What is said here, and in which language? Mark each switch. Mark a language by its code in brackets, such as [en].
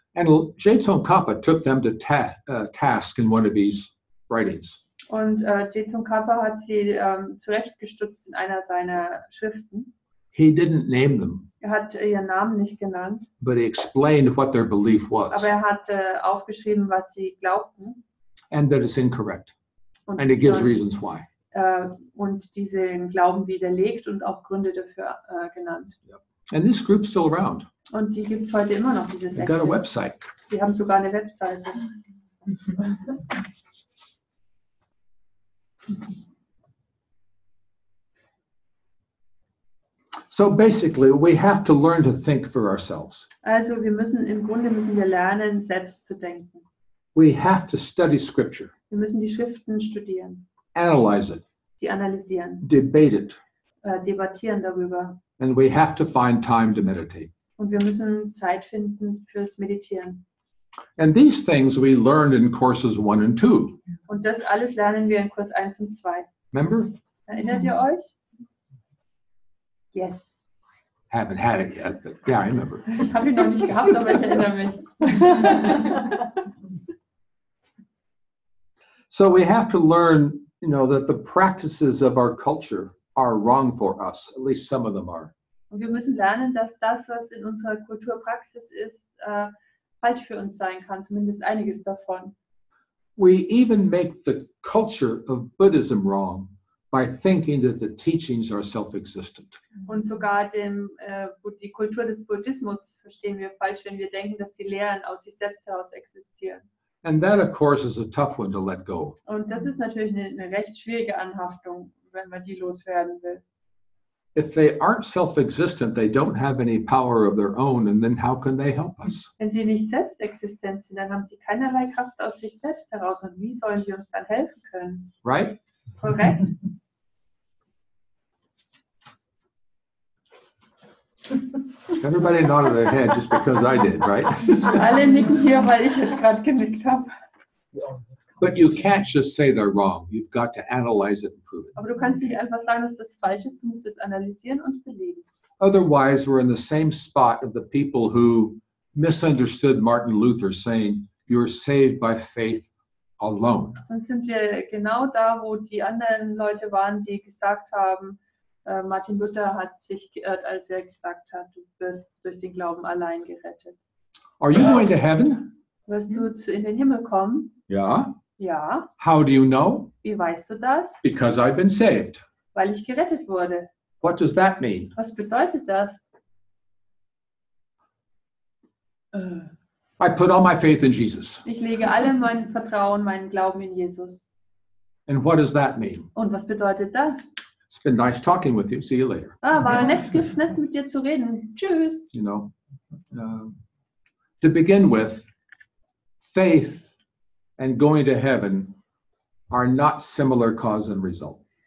[en] And Jetsun Kapa took them to task in one of these writings. [de] Und Jetsun Kapa hat sie zurechtgestutzt in einer seiner Schriften. [en] He didn't name them. [de] Er hat ihren Namen nicht genannt. [en] But he explained what their belief was. [de] Aber er hat aufgeschrieben, was sie glaubten. [en] And that is incorrect. And it gives reasons why. [de] Und diesen Glauben widerlegt und auch Gründe dafür genannt. [en] Yep. And this group's still around. [de] Und die gibt's heute immer noch, diese Sekte. [en] They got a website. [de] Die haben sogar eine Webseite. [en] So basically, we have to learn to think for ourselves. [de] Also, wir müssen im Grunde müssen wir lernen, selbst zu denken. [en] We have to study scripture. [de] Wir müssen die Schriften studieren. [en] Analyze it. [de] Sie analysieren. [en] Debate it. [de] Debattieren darüber. [en] And we have to find time to meditate. [de] Und wir müssen Zeit finden fürs Meditieren. [en] And these things we learned in courses 1 and 2. [de] Und das alles lernen wir in Kurs 1 und 2. [en] Remember? [de] Erinnert ihr euch? Yes. [en] Haven't had it yet, but yeah, I remember. [de] Hab ich noch nicht gehabt, aber ich erinnere mich. [en] So we have to learn, you know, that the practices of our culture are wrong for us. At least some of them are. [de] Und wir müssen lernen, dass das, was in unserer Kulturpraxis ist, falsch für uns sein kann, zumindest einiges davon. [en] We even make the culture of Buddhism wrong by thinking that the teachings are self-existent. [de] Und sogar die Kultur des Buddhismus verstehen wir falsch, wenn wir denken, dass die Lehren aus sich selbst heraus existieren. [en] And that, of course, is a tough one to let go. [de] Und das ist natürlich eine recht schwierige Anhaftung, wenn man die loswerden will. [en] If they aren't self-existent, they don't have any power of their own, and then how can they help us? [de] Wenn sie nicht selbstexistent sind, dann haben sie keinerlei Kraft aus sich selbst heraus. Und wie sollen sie uns dann helfen können? [en] Right? [de] Korrekt. [en] Everybody nodded their head just because I did, right? [de] Alle nicken hier, weil ich es gerade genickt habe. [en] But you can't just say they're wrong. You've got to analyze it and prove it. [de] Aber du kannst nicht einfach sagen, dass das falsch ist. Du musst es analysieren und belegen. [en] Otherwise, we're in the same spot of the people who misunderstood Martin Luther saying, "You're saved by faith alone." [de] Sonst sind wir genau da, wo die anderen Leute waren, die gesagt haben. Martin Luther hat sich geirrt, als er gesagt hat, du wirst durch den Glauben allein gerettet. [en] Are you going to heaven? [de] Wirst du in den Himmel kommen? Ja. Ja. [en] How do you know? [de] Wie weißt du das? [en] Because I've been saved. [de] Weil ich gerettet wurde. [en] What does that mean? [de] Was bedeutet das? [en] I put all my faith in Jesus. [de] Ich lege alle mein Vertrauen, meinen Glauben in Jesus. [en] And what does that mean? [de] Und was bedeutet das? [en] It's been nice talking with you. See you later. [de] Ah, war nett, nett mit dir zu reden. Tschüss. [en] You know, to begin with, faith and going to heaven are not similar cause and result.